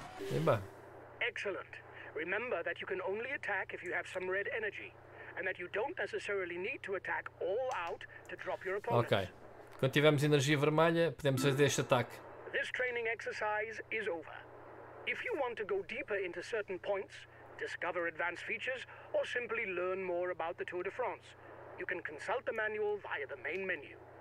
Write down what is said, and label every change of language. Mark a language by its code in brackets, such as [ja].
[pt] Bem. [en] Excellent. Remember that you can only attack if you have some red energy, and that you don't necessarily need to attack all out to drop your Ok. opponents. [pt] Quando tivermos energia vermelha, podemos fazer este ataque. [en] This training exercise is over. If you want to go deeper into certain points, discover advanced features, or simply learn more about the Tour de France, you can consult the manual via the main menu.